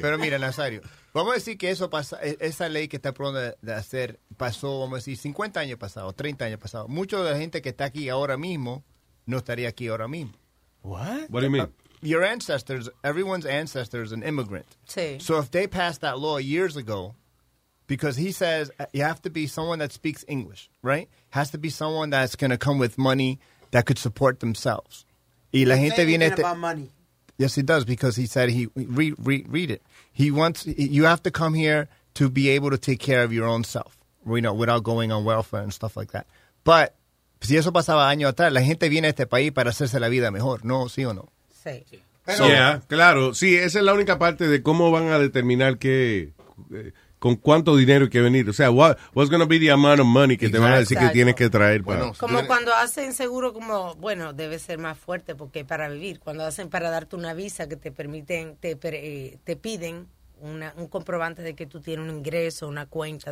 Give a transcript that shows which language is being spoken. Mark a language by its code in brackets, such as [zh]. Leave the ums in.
[es] Pero mira, Nazario, vamos a decir que eso pasa, esa ley que está pronto de hacer pasó, vamos a decir, 30 años pasado. Mucho de la gente que está aquí ahora mismo no estaría aquí ahora mismo. [en] What? What do you mean? Your ancestors, everyone's ancestors, an immigrant. Sí. So if they passed that law years ago, because he says you have to be someone that speaks English, right? has to be someone that's going to come with money that could support themselves. You y este... about money. Yes, he does because he said he re, re, read it. He wants you have to come here to be able to take care of your own self, you know, without going on welfare and stuff like that. But if that happened [es] años atrás, la gente viene a este país para hacerse la vida mejor, ¿no? Sí o no? Sí. Pero, so, yeah, claro. Sí, esa es la única parte de cómo van a determinar que eh, con cuánto dinero hay que ha venir. O sea, [en] what, what's going to be the amount of money que Exacto. [es] te van a decir que tienes que traer. para... Bueno, si como viene, cuando hacen seguro, como, bueno, debe ser más fuerte porque para vivir. Cuando hacen para darte una visa que te permiten, te, te piden una, un comprobante de que tú tienes un ingreso, una cuenta.